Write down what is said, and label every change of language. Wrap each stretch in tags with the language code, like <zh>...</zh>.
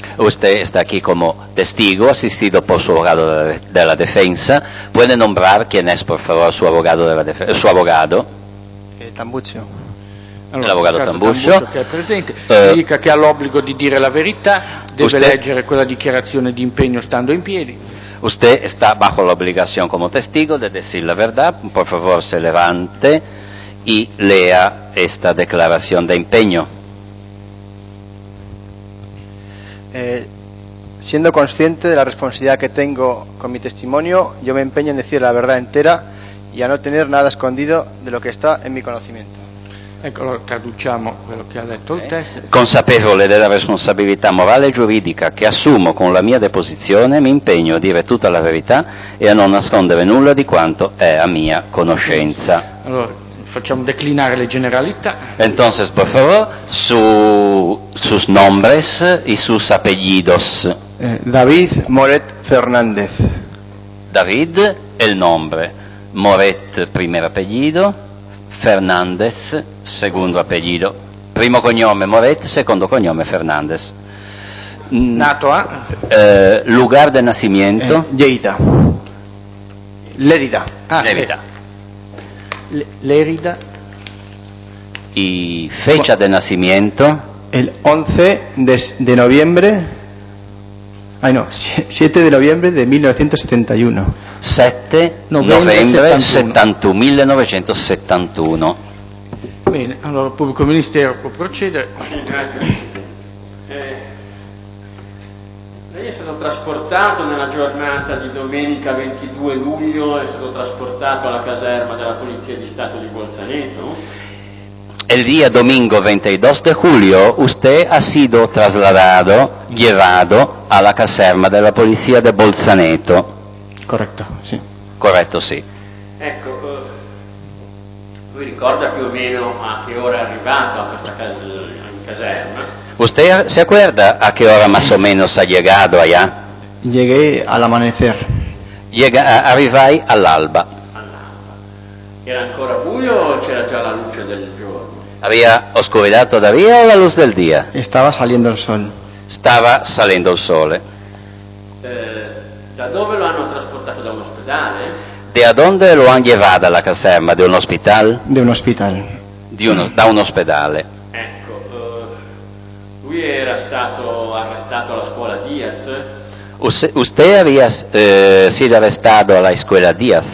<es>Usted está aquí como testigo, asistido por su abogado de la defensa. ¿Puede nombrar quién es, por favor, su abogado de la defensa? Su abogado. Tambuccio.</es> <it>Allora, l'avvocato Tambuccio. Che è presente. Dica che ha l'obbligo di dire la verità, deve</it> <es>usted,</es> <it>leggere quella dichiarazione di impegno stando in piedi.</it> <es>Usted está bajo la obligación como testigo de decir la verdad. Por favor, se levante y lea esta declaración de</es> <it>impegno.</it> <es>Siendo consciente de la responsabilidad que tengo con mi testimonio, yo me empeño en decir la verdad entera y a no tener nada escondido de lo que está en mi conocimiento.</es> <it>Ecco, allora traduciamo quello che ha detto il testo. Consapevole della responsabilità morale e giuridica che assumo con la mia deposizione, mi impegno a dire tutta la verità e a non nascondere nulla di quanto è a mia conoscenza. Allora, facciamo declinare le generalità.</it> <es>Entonces, por favor, sus nombres y sus apellidos. David Moret Fernández. David, el nombre. Moret, primer apellido. Fernández, secondo apellido.</es> <it>Primo cognome Moret, secondo cognome Fernández. Nato a?</it> <es>Lugar de nacimiento? Lleida. Lérida. Lérida. Lérida. Y fecha de nacimiento? El 11 de noviembre. Ay, no, 7 de noviembre de 1971.</es> <it>7 novembre 71. 1971. Bene, allora il pubblico ministero può procedere. Lei è stato trasportato nella giornata di domenica 22 luglio, è stato trasportato alla caserma della Polizia di Stato di Bolzaneto.</it> <es>El día domingo 22 de julio usted ha sido trasladado, llevado a la caserma de la policía de Bolzaneto.</es> <it>Corretto, sì. Corretto, sì. Ecco, lui ricorda più o meno a che ora è arrivato a questa caserma?</it> <es>Usted se acuerda</es> <it>a che ora</it> <es>más o menos ha llegado allá? Llegué al amanecer.</es> <it>Arrivai all'alba. All'alba. Era ancora buio o c'era già la luce del giorno?</it> <es>¿Había oscuridad todavía o la luz del día? Estaba saliendo el sol. Estaba saliendo el sol. ¿Da dónde lo han transportado? ¿De un hospital? ¿De a dónde lo han llevado a la caserma? ¿De un hospital? De un hospital.</es> <it>Da un</it> <es>hospital.</es> <it>Ecco, lui era stato arrestato alla scuola Díaz.</it> <es>¿Usted había sido arrestado a la escuela Díaz?</es>